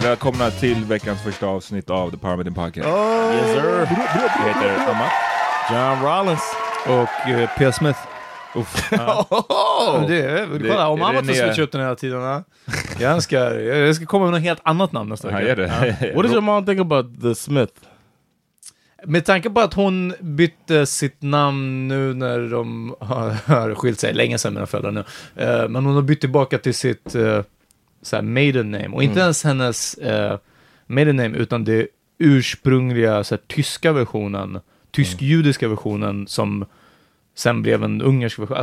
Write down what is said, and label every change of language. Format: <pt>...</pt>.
<sv>Välkomna till veckans första avsnitt av The Power Within Podcast. Oh.</sv> <en>Yes, sir.</en> <sv>Jag heter Emma. John Rollins. Och P.S. Smith. Uff. Kolla, om Amat får switcha upp den hela tiden. Jag ska komma med något helt annat namn nästa vecka.</sv> <en>What does your mom think about the Smith?</en> <sv>Med tanke på att hon bytte sitt namn nu när de har skilt sig länge sedan, mina föräldrar nu. Men hon har bytt tillbaka till sitt så här maiden name. Och inte ens hennes maiden name, utan det ursprungliga så här, tyska versionen, tysk-judiska versionen, som sen blev en ungersk version.</sv>